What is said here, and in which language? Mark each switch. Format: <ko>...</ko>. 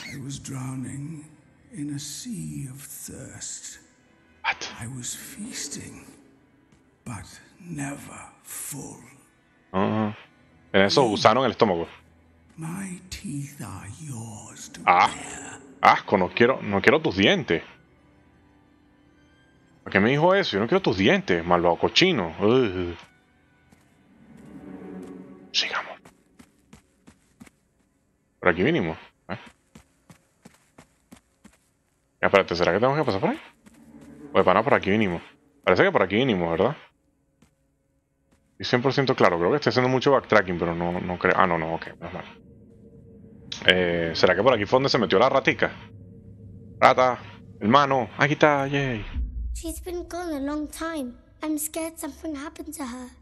<en>I was drowning in a sea of thirst. What? I was feasting, but never full.</en> <es>En eso, gusano en el estómago.</es> <en>My teeth are yours to</en> <es>Asco, no quiero tus dientes. ¿Por qué me dijo eso? Yo no quiero tus dientes, malvado cochino. Sigamos. Por aquí vinimos. Ya, espérate, ¿será que tenemos que pasar por ahí? Oye, para nada, por aquí vinimos. Parece que por aquí vinimos, ¿verdad? Y 100% claro, creo que estoy haciendo mucho backtracking, pero no creo. Ah, no, ok, menos mal. ¿Será que por aquí fue donde se metió la ratica? Rata, hermano, aquí está, yay.</es> <en>She's been gone a long time. I'm scared something happened to her.</en>